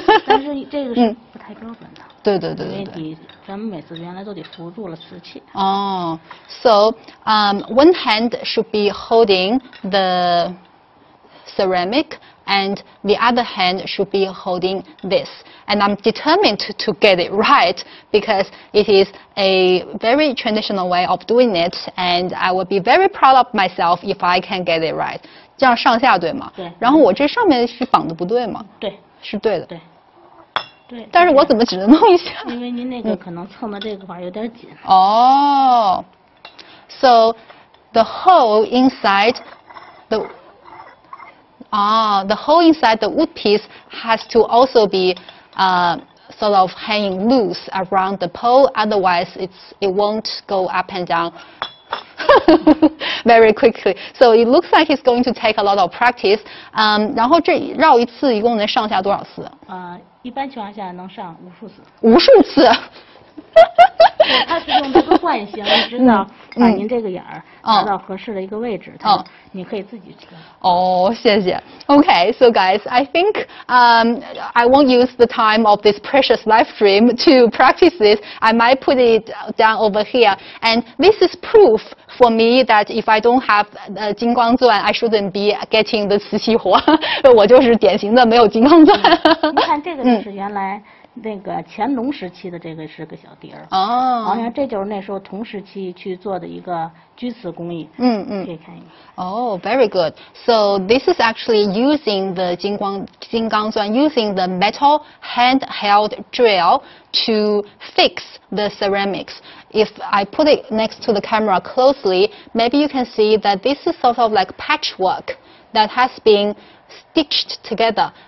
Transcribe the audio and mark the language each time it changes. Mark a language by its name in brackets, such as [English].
[Chinese] 但是这个是不太标准的对咱们每次原来都得扶住了瓷器 [English] one hand should be holding the ceramic and the other hand should be holding this and I'm determined to get it right because it is a very traditional way of doing it and I will be very proud of myself if I can get it right [Chinese] 这样上下对吗对然后我这上面是绑的不对吗对是对的对但是我怎么只能弄一下因为您那个可能蹭的这个块有点紧 [English] So the hole inside the hole inside the wood piece has to also be sort of hanging loose around the pole otherwise it won't go up and downvery quickly so it looks like it's going to take a lot of practice [Chinese] 然后这绕一次一共能上下多少次一般情况下能上无数次无数次它是用这个惯性，一直呢把您这个眼儿拿到合适的一个位置，它你可以自己去。谢谢。 [English] Okay, so guys, I think I won't use the time of this precious live stream to practice this. I might put it down over here. And this is proof for me that if I don't have the 金光钻, I shouldn't be getting the 瓷器活. [Chinese] 我就是典型的没有金光钻. 你看这个就是原来那个乾隆时期的这个是个小碟儿。好像这就是那时候同时期去做的一个居瓷工艺。可以看一下。 [English] Very good. So this is actually using the 金刚钻, using the metal handheld drill to fix the ceramics. If I put it next to the camera closely, maybe you can see that this is sort of like patchwork that has been stitched together.